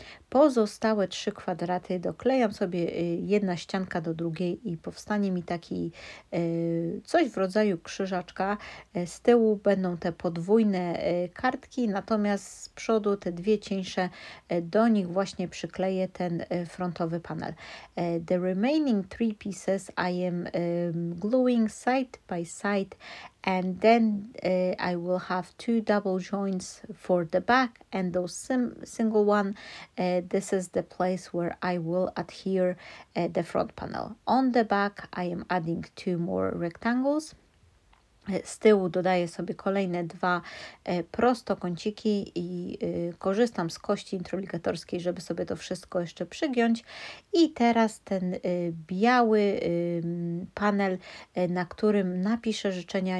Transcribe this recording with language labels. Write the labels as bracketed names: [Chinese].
[Polish] Pozostałe trzy kwadraty doklejam sobie jedna ścianka do drugiej i powstanie mi taki coś w rodzaju krzyżaczka. Z tyłu będą te podwójne kartki, natomiast z przodu te dwie cieńsze, do nich właśnie przykleję ten frontowy panel. [English] The remaining three pieces I am gluing side by side. And then I will have two double joints for the back and those single one. This is the place where I will adhere the front panel. On the back I am adding two more rectangles. [Polish] Z tyłu dodaję sobie kolejne dwa prostokąciki i korzystam z kości introligatorskiej, żeby sobie to wszystko jeszcze przygiąć. I teraz ten biały panel, na którym napiszę życzenia.